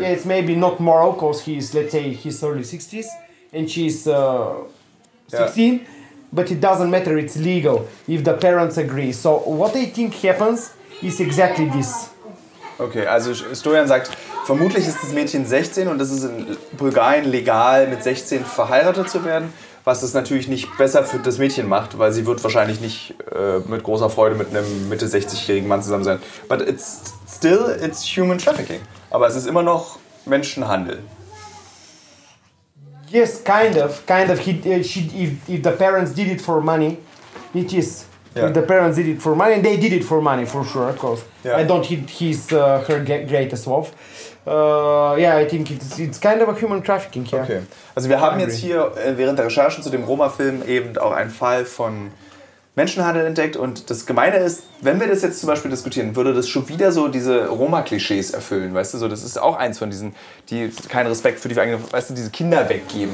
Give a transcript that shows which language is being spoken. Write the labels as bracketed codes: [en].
[en] Yeah, it's maybe not moral because he's, let's say, he's early 60s and she's 16. But it doesn't matter, it's legal if the parents agree. So what I think happens is exactly this. [de] Okay, also Stojan sagt, vermutlich ist das Mädchen 16 und es ist in Bulgarien legal, mit 16 verheiratet zu werden, was das natürlich nicht besser für das Mädchen macht, weil sie wird wahrscheinlich nicht mit großer Freude mit einem Mitte-60-jährigen Mann zusammen sein. [en] But it's still, it's human trafficking. [de] Aber es ist immer noch Menschenhandel. [en] Yes, kind of. If the parents did it for money, it is. Yeah. If the parents did it for money, and they did it for money, for sure, of course. Yeah. I don't hit her greatest love. I think it's kind of a human trafficking here. Okay. [de] Also wir haben jetzt hier während der Recherchen zu dem Roma-Film eben auch einen Fall von Menschenhandel entdeckt. Und das Gemeine ist, wenn wir das jetzt zum Beispiel diskutieren, würde das schon wieder so diese Roma-Klischees erfüllen, weißt du? So, das ist auch eins von diesen, die keinen Respekt für die eigenen, weißt du, diese Kinder weggeben.